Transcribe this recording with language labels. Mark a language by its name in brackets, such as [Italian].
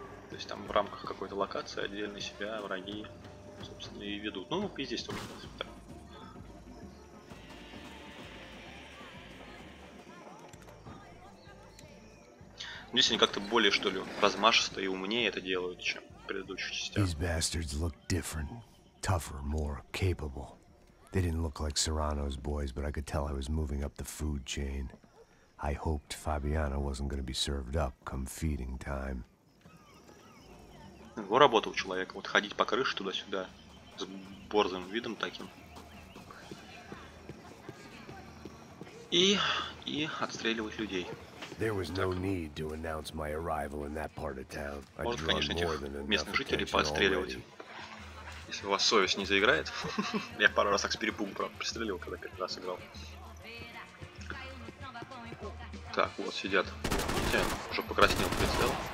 [Russian] То есть там в рамках какой-то локации отдельно себя враги, собственно, и ведут. Ну, и здесь тоже, в принципе, так. Здесь они как-то более, что ли, размашисто и умнее это делают, чем в предыдущих частях. [English] These bastards look different, tougher, more capable. They didn't look like Serrano's boys, but I could tell I was moving up the food chain. I hoped Fabiana wasn't gonna be served up come feeding time. [Russian] Во работу у человека, вот ходить по крыше туда-сюда с борзым видом таким. И отстреливать людей. [English] There was no need to announce my arrival in that part of town. [Russian] Может, конечно, этих местных жителей поотстреливать. [English] Already. [Russian] Если у вас совесть не заиграет. Я пару раз так с перепугу пристрелил, когда первый раз играл. Так, вот сидят. Видите, уже покраснел прицел.